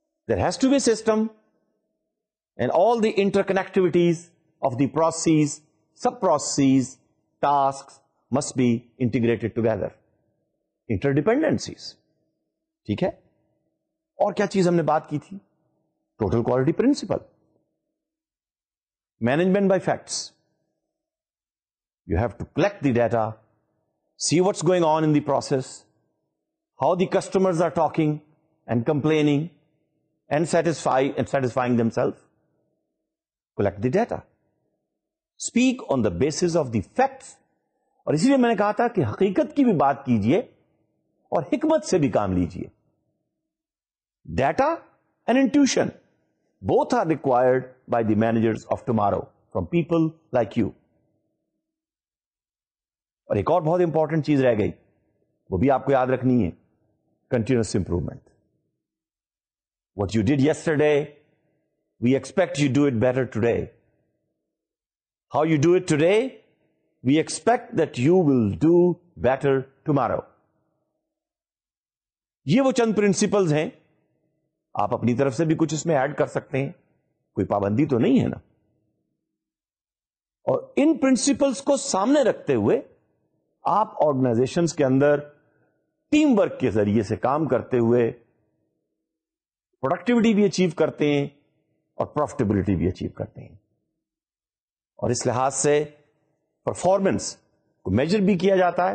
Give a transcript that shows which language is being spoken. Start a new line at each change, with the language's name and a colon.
English: There has to be system and all the interconnectivities of the processes, sub-processes, tasks must be integrated together. Interdependencies.
Urdu: ٹھیک ہے. اور کیا چیز ہم نے بات کی تھی؟
English: Total quality principle. Management by facts. You have to collect the data, see what's going on in the process, how the customers are talking and complaining and satisfying themselves. Collect the data. Speak on the basis of the facts.
Urdu: اور اسی لیے میں نے کہا تھا کہ حقیقت کی بھی بات کیجئے اور حکمت سے بھی کام لیجئے.
English: Data and intuition both are required by the managers of tomorrow from people like you.
Urdu: اور ایک اور بہت امپورٹنٹ چیز رہ گئی, وہ بھی آپ کو یاد رکھنی ہے,
English: continuous improvement. What you did yesterday, we expect you do it better today. How you do it today, we expect that you will do better tomorrow.
Urdu: یہ وہ چند پرنسپلز ہیں. آپ اپنی طرف سے بھی کچھ اس میں ایڈ کر سکتے ہیں, کوئی پابندی تو نہیں ہے نا. اور ان پرنسپلز کو سامنے رکھتے ہوئے آپ آرگنائزیشنز کے اندر ٹیم ورک کے ذریعے سے کام کرتے ہوئے پروڈکٹیوٹی بھی اچیو کرتے ہیں اور پروفیٹیبلٹی بھی اچیو کرتے ہیں, اور اس لحاظ سے پرفارمنس کو میجر بھی کیا جاتا ہے.